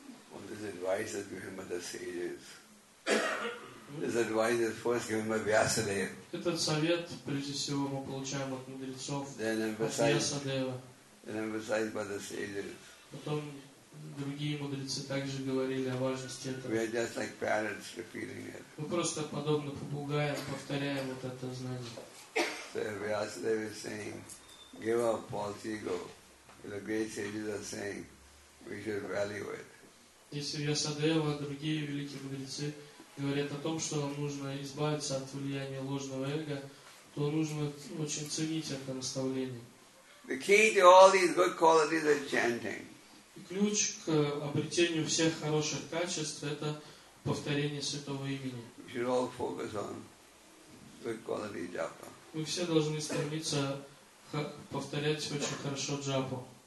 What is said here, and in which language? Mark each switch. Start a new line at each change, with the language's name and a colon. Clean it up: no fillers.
English: Well, this advice is given by the sages. This advice is first given by Vyasadeva.
Russian: Этот совет, прежде всего, мы получаем от мудрецов, от Vyasadeva.
English: Then emphasized by the sages.
Russian: Потом другие мудрецы также говорили о важности этого.
English: We are just like parents repeating it.
Russian: Мы просто подобно попугаям повторяем вот это знание.
English: So Vyasadeva is saying, give up false ego. The great sages are saying, we should value it.
Russian: Если Vyasadeva, другие великие мудрецы говорят о том, что нам нужно избавиться от влияния ложного эго, то нужно очень ценить это наставление.
English: The key to all these good qualities is chanting.
Russian: Ключ к обретению всех хороших качеств – это повторение святого имени.
English: We should all focus on good quality japa.
Russian: Мы все должны стремиться повторять очень хорошо джапу.